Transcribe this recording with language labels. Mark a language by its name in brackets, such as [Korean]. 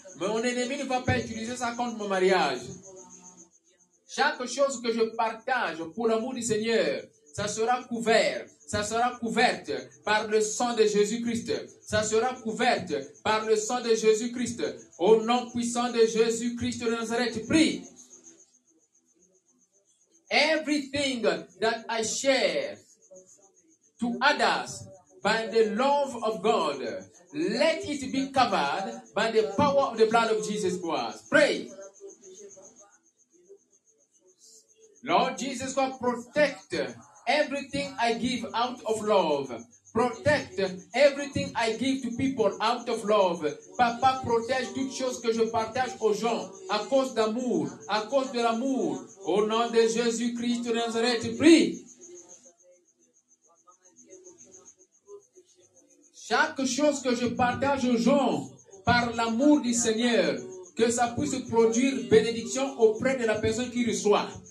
[French] Mon ennemi ne va pas utiliser ça contre mon mariage. Chaque chose que je partage pour l'amour du Seigneur, ça sera couvert, ça sera couverte par le sang de Jésus-Christ. Ça sera couverte par le sang de Jésus-Christ. Au nom puissant de Jésus-Christ de Nazareth, prie. [English] Everything that I share to others by the love of God, let it be covered by the power of the blood of Jesus Christ. Pray. Lord Jesus Christ, protect everything I give out of love. Protect everything I give to people out of love. [French] Papa, protège toutes choses que je partage aux gens à cause d'amour, à cause de l'amour. Au nom de Jésus-Christ de Nazareth, prie. Chaque chose que je partage aux gens par l'amour du Seigneur, que ça puisse produire bénédiction auprès de la personne qui reçoit.